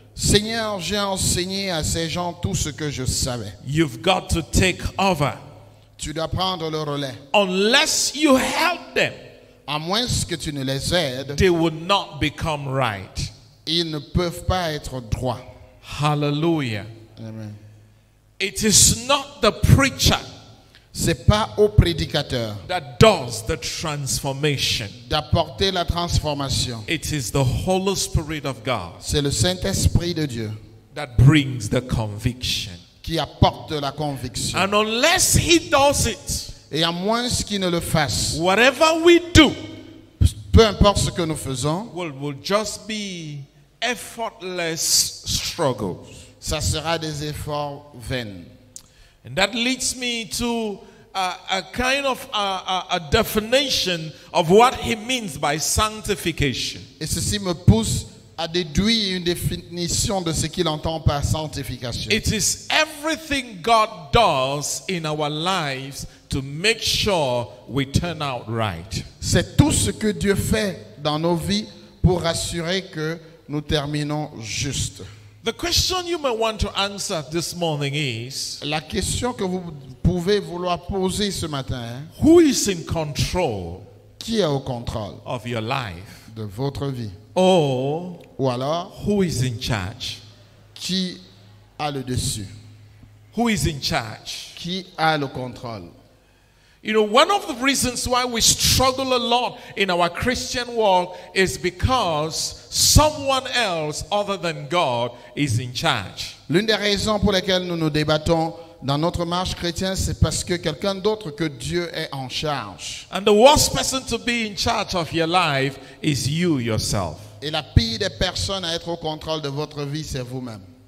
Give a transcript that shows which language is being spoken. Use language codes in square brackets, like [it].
[fr] Seigneur, j'ai enseigné à ces gens tout ce que je savais. [en] You've got to take over. [fr] Tu dois prendre le relais. [en] Unless you help them, [fr] à moins que tu ne les aides, [en] they will not become right. [fr] Ils ne peuvent pas être droits. Hallelujah. Amen. [en] It is not the preacher. [fr] C'est pas au prédicateur [en] that does the transformation. [fr] D'apporter la transformation. [en] It is the Holy Spirit of God. [fr] C'est le Saint-Esprit de Dieu [en] that brings the conviction. [fr] Qui apporte la conviction. [en] And unless he does it, [fr] et à moins qu'il ne le fasse, [en] whatever we do, [fr] peu importe ce que nous faisons, [en] will just be effortless struggles. [fr] Ça sera des efforts vains. [en] And that leads me to a kind of a definition of what he means by sanctification. [fr] Et ceci me pousse à déduire une définition de ce qu'il entend par sanctification. [en] It is everything God does in our lives to make sure we turn out right. [fr] C'est tout ce que Dieu fait dans nos vies pour assurer que nous terminons juste. [en] The question you may want to answer this morning is, [fr] la question que vous pouvez vouloir poser ce matin, [en] who is in control, [fr] qui est au contrôle, [en] of your life, [fr] de votre vie, [en] or, [fr] ou alors, [en] who is in charge, [fr] qui a le dessus, [en] who is in charge, [fr] qui a le contrôle. [en] You know, one of the reasons why we struggle a lot in our Christian walk is because someone else other than God is in charge. [fr] L'une des raisons pour lesquelles nous nous débattons dans notre marche chrétienne, c'est parce que quelqu'un d'autre que Dieu est en charge. [en] And the worst person to be in charge of your life is you yourself. [fr] Et la pire des personnes à être au contrôle de votre vie, c'est vous-même.